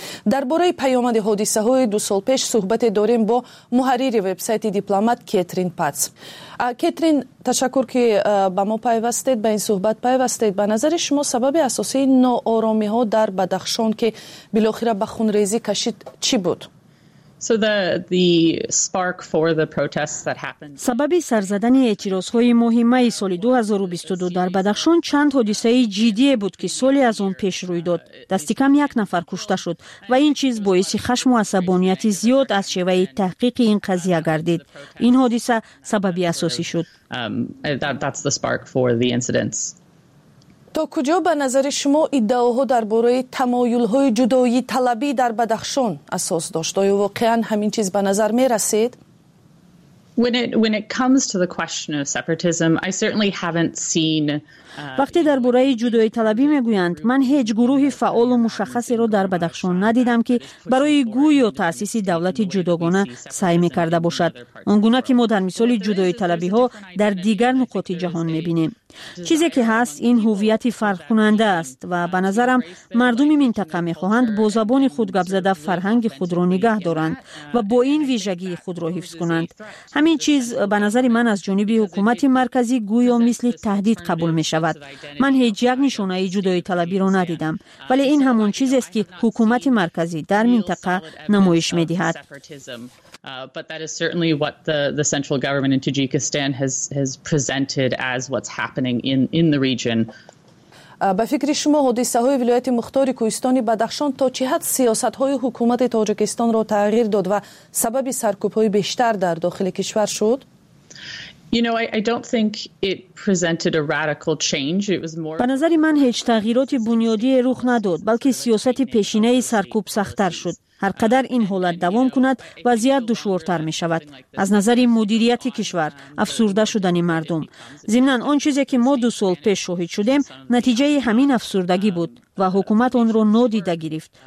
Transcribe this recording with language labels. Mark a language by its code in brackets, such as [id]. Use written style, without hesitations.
[fa] درباره پیامد حادثه های دو سال پیش صحبت داریم با محرر وبسایت دیپلمات کترین پاتس. کترین، تشکر که با ما پیوستید، با این صحبت پیوستید. به نظر شما سبب اساسی ناآرامی ها در بدخشان که بالاخره به خونریزی کشید چی بود؟ [en] So the spark for the protests that happened. [fa] سبب سرزدن اعتراض‌های مهمه سال 2022 در بدخشان چند حادثه جدی بود که سالی از آن پیش روی داد. دستکم یک نفر کشته شد و این چیز باعث خشم و عصبانیت زیاد از شیوه تحقیق این قضیه گردید. این حادثه سبب اساسی شد. [en] That's the spark for the incidents. [fa] تا کجا به نظر شما ادعاها درباره تمایل‌های جدایی طلبی در بدخشان اساس داشت؟ آیا واقعاً همین چیز به نظر می‌رسید؟ [en] When it comes to the question of separatism, I certainly haven't seen [fa] وقتی درباره جدایی طلبی میگویند من هیچ گروه فعال و مشخصی را در بدخشان ندیدم که برای گویی و تأسیس دولت جداگانه سعی میکرده باشد. آنگونه که ما در مثال جدایی طلبی ها در دیگر نقاط جهان میبینیم. چیزی که هست این هویت فرق کننده است و به نظرم مردم منطقه میخواهند با زبان خود گپ زده فرهنگ خود را نگه دارند و با این ویژگی خود را حفظ کنند. همین چیز به نظر من از جانب حکومت مرکزی گویی مثل تهدید قبول می شود. من هیچ یک نشانه جدایی طلبی را ندیدم، ولی این همون چیزی است که حکومت مرکزی در منطقه نمایش می دهد. [en] But that is certainly what the central government in Tajikistan has presented as what's happening in the region. [fa] به فکر شما حادثه های ولایت مختار کوهستان بدخشان تا چه حد سیاست های حکومت تاجیکستان را تغییر داد و سبب سرکوب های بیشتر در داخل کشور شد؟ [en] I don't think it presented a radical change. It was more [fa] به نظر من هیچ تغییرات بنیادی رخ نداد، بلکه سیاست پیشینه سرکوب سخت‌تر شد. هر قدر این حالت دوام کند وضعیت دشوارتر می شود. از نظر مدیریت کشور، افسرده شدن مردم. ضمناً آن چیزی که ما 2 سال پیش شاهد شدیم نتیجه همین افسردگی بود و حکومت آن را نادیده گرفت.